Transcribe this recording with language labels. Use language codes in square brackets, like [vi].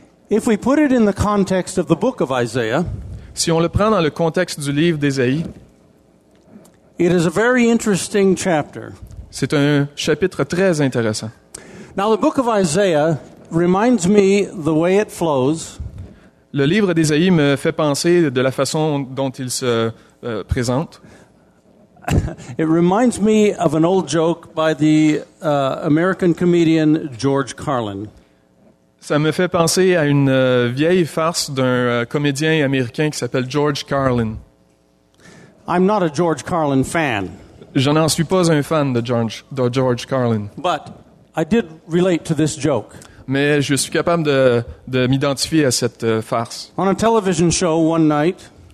[en] If we put it in the context of the book of Isaiah, [fr] si on le prend dans le contexte du livre d'Ésaïe, [en] it is a very interesting chapter. [fr] C'est un chapitre très intéressant. [en] Now the book of Isaiah reminds me the way it flows. [fr] Le livre d'Ésaïe me fait penser de la façon dont il se présente. [en] It reminds me of an old joke by the American comedian George Carlin. [fr] Ça me fait penser à une vieille farce d'un comédien américain qui s'appelle George Carlin. [en] I'm not a George Carlin fan. [fr] Je n'en suis pas un fan de George Carlin. [en] But I did relate to this joke. [fr] Mais je suis capable de m'identifier à cette farce. [en] On a television show one night.